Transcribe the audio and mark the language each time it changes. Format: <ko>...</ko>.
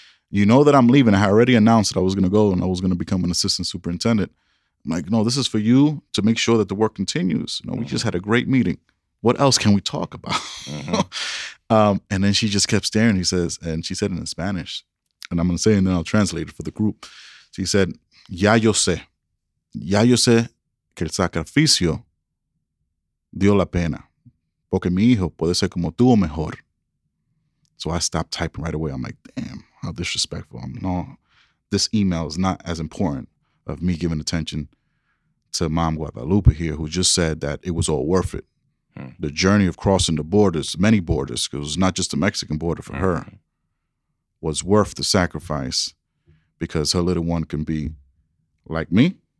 <en>You know that I'm leaving. I already announced that I was going to go and I was going to become an assistant superintendent. I'm like, no, this is for you to make sure that the work continues. You know, mm-hmm. we just had a great meeting. What else can we talk about? Mm-hmm. And then she just kept staring. She said in Spanish, and I'm going to say, and then I'll translate it for the group. She said,</en> <es>Ya yo sé que el sacrificio dio la pena, porque mi hijo puede ser como tú o mejor.</es> <en>So I stopped typing right away. I'm like, damn, how disrespectful. I'm no, this email is not as important of me giving attention to Mom Guadalupe here, who just said that it was all worth it. The journey of crossing the borders, many borders, because it was not just the Mexican border for her, was worth the sacrifice because her little one can be like me.</en>